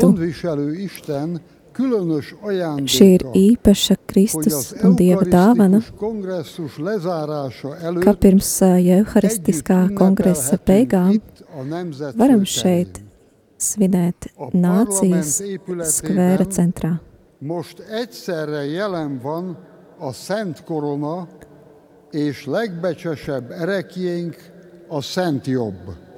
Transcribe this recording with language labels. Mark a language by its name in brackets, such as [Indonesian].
[Hungarian] A gondviselő Isten különös ajándéka. [Latvian] Šī ir īpaša Kristus un Dieva dāvana. [Hungarian] Kongresus lezárása előtt. [Latvian] Ka pirms eharistiskā kongresa beigām. Varam šeit svinēt nācijas skvēra centrā. [Hungarian] Most egyszerre jelen van a Szent Korona és legbecsesebb erekjénk a Szent Jobb.